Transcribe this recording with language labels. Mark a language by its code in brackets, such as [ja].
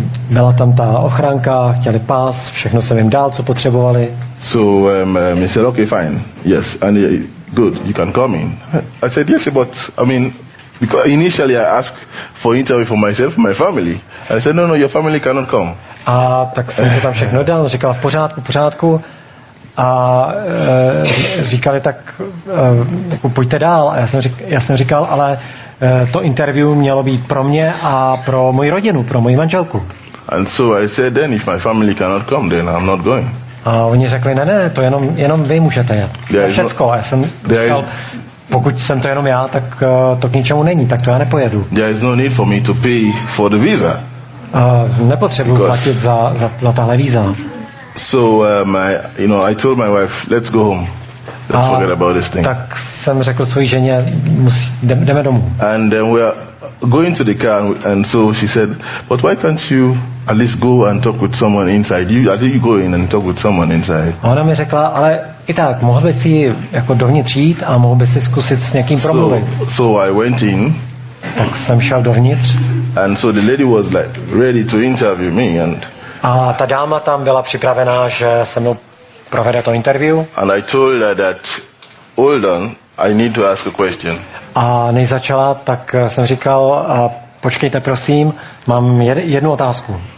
[cs] Byla tam ta ochránka, chtěli pás, všechno jsem jim dal, co potřebovali. [en] So he said, okay, fine, yes, and good, you can come in. I said, yes, but I mean, because initially I asked for interview for myself, my family. I said, no, your family cannot come. [cs] A tak jsem to tam všechno dal, říkal v pořádku, pořádku. A říkali tak, jako pojďte dál. A já jsem říkal, ale to interview mělo být pro mě a pro moji rodinu, pro moji manželku. [en] And so I said, then if my family cannot come, then I'm not going. [cs] A oni řekli, ne, to jenom vy můžete jet. To všecko. A já jsem říkal, pokud jsem to jenom já, tak to k ničemu není, tak to já nepojedu. [en] There is no need for me to pay for the visa. [cs] Nepotřebuji platit za tahle víza. [en] So I told my wife, let's go home. Let's forget about this thing. [cs] Tak jsem řekl své ženě, jdeme domů. [en] And then we are going to the car and so she said, but why can't you at least go and talk with someone inside? You go in and talk with someone inside. [cs] A ona mi řekla, ale i tak, mohl bys si jako dovnitř jít a mohl bys si zkusit s někým promluvit. [en] So I went in. [cs] Tak jsem šel dovnitř. [en] And so the lady was like ready to interview me and [cs] a ta dáma tam byla připravená, že se mnou provede to interview. [en] And I told her that, hold on, I need to ask a question. [cs] A než začala, tak jsem říkal, počkejte prosím, mám jednu otázku.